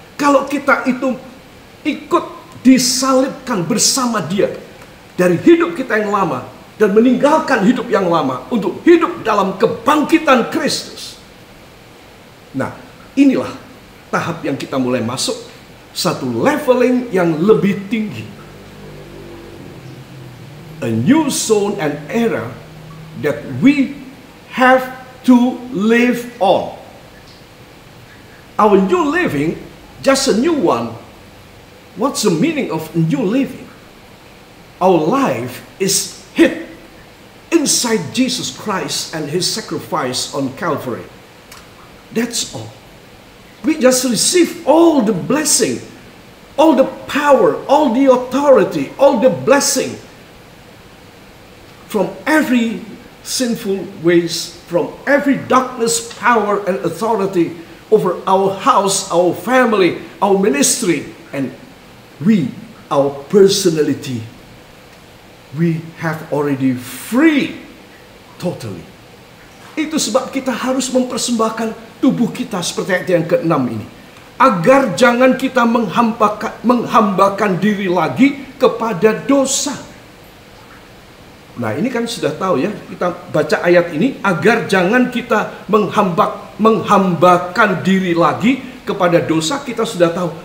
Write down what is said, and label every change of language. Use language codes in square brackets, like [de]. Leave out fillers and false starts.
[id] Kalau kita itu ikut disalibkan bersama dia dari hidup kita yang lama dan meninggalkan hidup yang lama untuk hidup dalam kebangkitan Kristus. Nah, inilah tahap yang kita mulai masuk. Satu leveling yang lebih tinggi. [en] A new zone and era that we have to live on. Our new living, just a new one. What's the meaning of new living? Our life is hid inside Jesus Christ and His sacrifice on Calvary. That's all. We just receive all the blessing, all the power, all the authority, all the blessing from every sinful ways, from every darkness, power and authority over our house, our family, our ministry, and we, our personality, we have already free totally. [id] Itu sebab kita harus mempersembahkan tubuh kita seperti ayat yang ke-6 ini. Agar jangan kita menghambakan diri lagi kepada dosa. Nah ini kan sudah tahu ya, kita baca ayat ini. Agar jangan kita menghambakan diri lagi kepada dosa, kita sudah tahu.